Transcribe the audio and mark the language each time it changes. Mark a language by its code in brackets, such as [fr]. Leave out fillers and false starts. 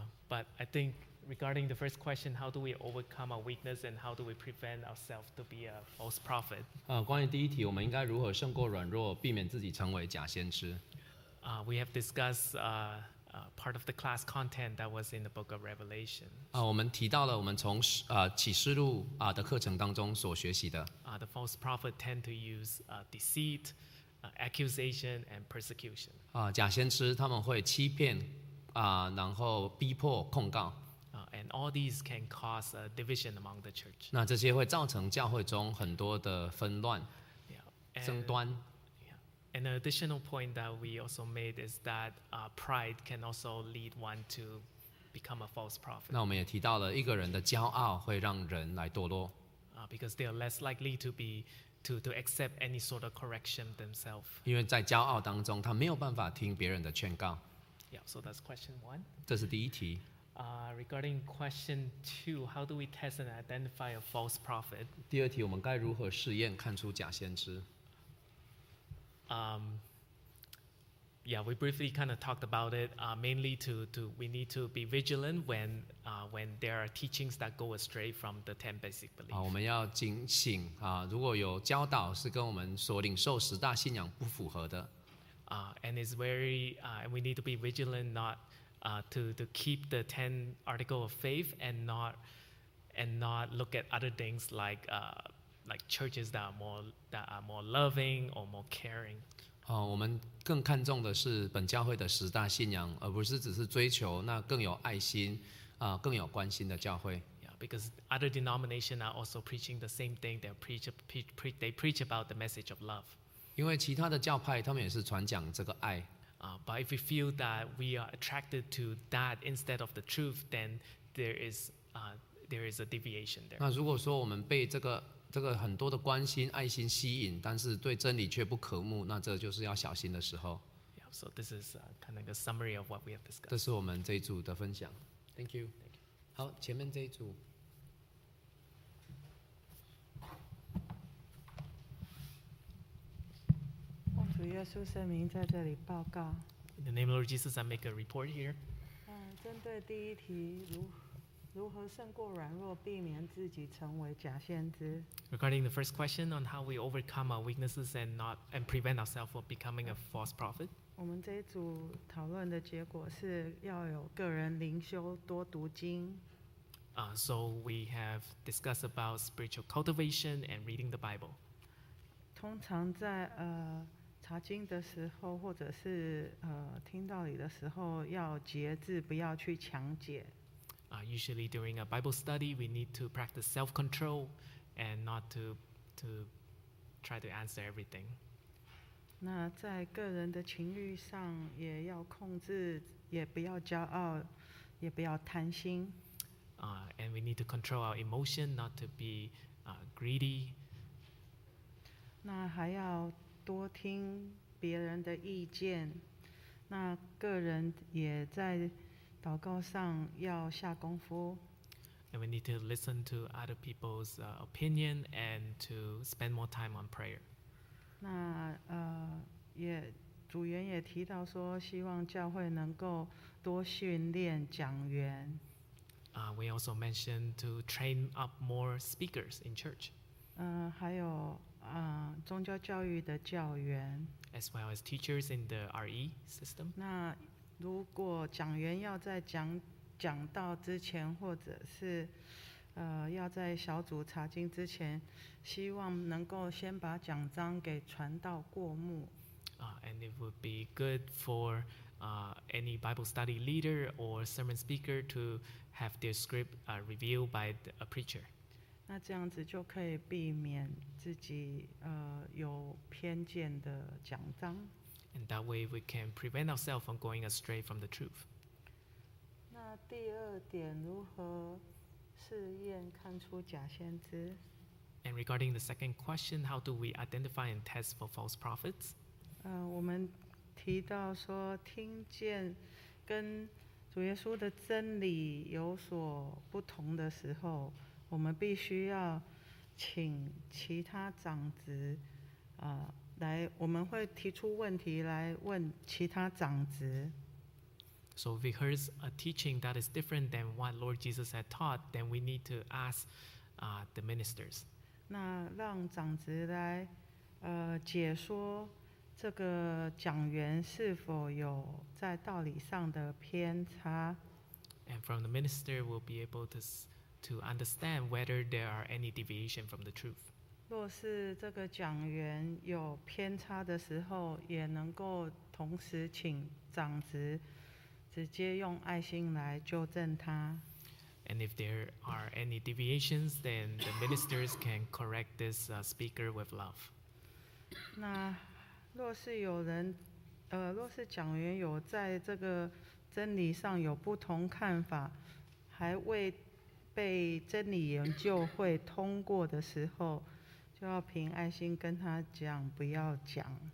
[en] But I think, regarding the first question, how do we overcome our weakness and how do we prevent ourselves to be a false prophet? [zh] 关于第一题，我们应该如何胜过软弱，避免自己成为假先知？ [en] We have discussed part of the class content that was in the book of Revelation. [zh] 我们提到了我们从启示录的课程当中所学习的。 [en] The false prophet tend to use deceit, accusation, and persecution. [zh] 假先知他们会欺骗然后逼迫控告。 [en] And all these can cause a division among the church. [zh] 那这些会造成教会中很多的纷乱、争端。 [en] An additional point that we also made is that pride can also lead one to become a false prophet. [zh] 那我们也提到了一个人的骄傲会让人来堕落。 [en] Because they are less likely to accept any sort of correction themselves. [zh] 因为在骄傲当中，他没有办法听别人的劝告。 [en] Yeah, so that's question one. [zh] 这是第一题。 [en] Regarding question two, how do we test and identify a false prophet? [zh] 第二题，我们该如何试验看出假先知？ [en] We briefly kind of talked about it. Mainly to we need to be vigilant when there are teachings that go astray from the ten basic beliefs. [zh] 我们要警醒如果有教导是跟我们所领受十大信仰不符合的。 [en] And it's very we need to be vigilant not. To keep the 10 article of faith and not look at other things like churches that are more loving or more caring. [zh] 我们更看重的是本教会的十大信仰，而不是只是追求那更有爱心、更有关心的教会。 [en] Yeah, because other denominations are also preaching the same thing. They preach about the message of love. [zh] 因为其他的教派他们也是传讲这个爱。 [en] But if we feel that we are attracted to that instead of the truth, then there is a deviation there. [zh] 那如果说我们被这个很多的关心、爱心吸引，但是对真理却不渴慕，那这就是要小心的时候。 [en] Yeah, so this is kind of a summary of what we have discussed. [zh] 这是我们这一组的分享。 [en] Thank you. Thank you. [zh] 好，前面这一组。主耶稣圣名在这里报告。 [en] In the name of Lord Jesus, I make a report here. [zh] 针对第一题，如何胜过软弱，避免自己成为假先知。 [en] Regarding the first question on how we overcome our weaknesses and prevent ourselves from becoming a false prophet. [zh] 我们这一组讨论的结果是要有个人灵修，多读经。 [en] So we have discussed about spiritual cultivation and reading the Bible. [zh] 通常在查经的时候，或者是听道理的时候，要节制，不要去强解。 [en] Usually during a Bible study, we need to practice self-control and not to try to answer everything. [zh] 那在个人的情欲上也要控制，也不要骄傲，也不要贪心。 [en] And we need to control our emotion, not to be greedy. [zh] 那还要多听别人的意见，那个人也在祷告上要下功夫。 [en] And we need to listen to other people's opinion and to spend more time on prayer. [zh] 那也主员也提到说，希望教会能够多训练讲员。 [en] We also mentioned to train up more speakers in church. [zh] 还有宗教教育的教员 [en] as well as teachers in the RE system. [zh] 那如果讲员要在讲道之前，或者是要在小组查经之前，希望能够先把讲章给传道过目。 [en] And it would be good for any Bible study leader or sermon speaker to have their script reviewed by a preacher. [zh] 那这样子就可以避免自己有偏见的讲章。 [en] And that way we can prevent ourselves from going astray from the truth. [zh] 那第二点如何试验看出假先知？ [en] And regarding the second question, how do we identify and test for false prophets? [zh] 我们提到说听见跟主耶稣的真理有所不同的时候，我们必须要请其他长子来，我们会提出问题来问其他长子。 [en] So if we heard a teaching that is different than what Lord Jesus had taught, then we need to ask the ministers. [zh] 那让长子来解说这个讲员是否有在道理上的偏差。 [en] And from the minister, we'll be able to understand whether there are any deviation from the truth. [zh] 若是这个讲员有偏差的时候，也能够同时请长子直接用爱心来纠正他。 [en] And if there are any deviations, then the ministers can correct this speaker with love. [zh] 那若是有人，若是讲员有在这个真理上有不同看法，还未被真理研究会通过的时候，就要凭爱心跟他讲，不要讲。